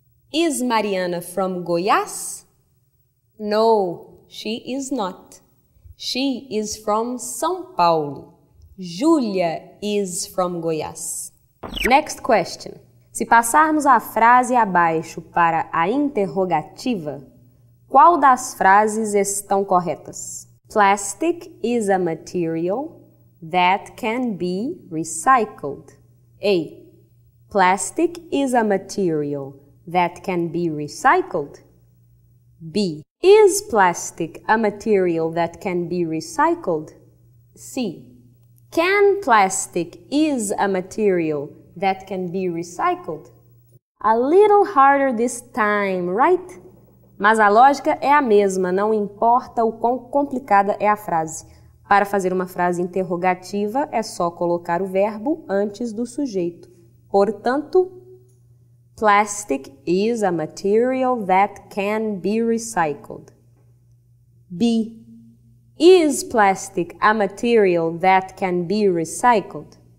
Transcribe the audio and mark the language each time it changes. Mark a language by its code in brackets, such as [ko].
[en] Is Mariana from Goiás? No, she is not. She is from São Paulo. Júlia is from Goiás. Next question. [pt] Se passarmos a frase abaixo para a interrogativa, qual das frases estão corretas? [en] Plastic is a material that can be recycled. A. Plastic is a material that can be recycled. B. Is plastic a material that can be recycled? C. Can plastic is a material that can be recycled? A little harder this time, right? [pt] Mas a lógica é a mesma, não importa o quão complicada é a frase. Para fazer uma frase interrogativa, é só colocar o verbo antes do sujeito. Portanto, [en] plastic is a material that can be recycled. B. Is plastic a material that can be recycled?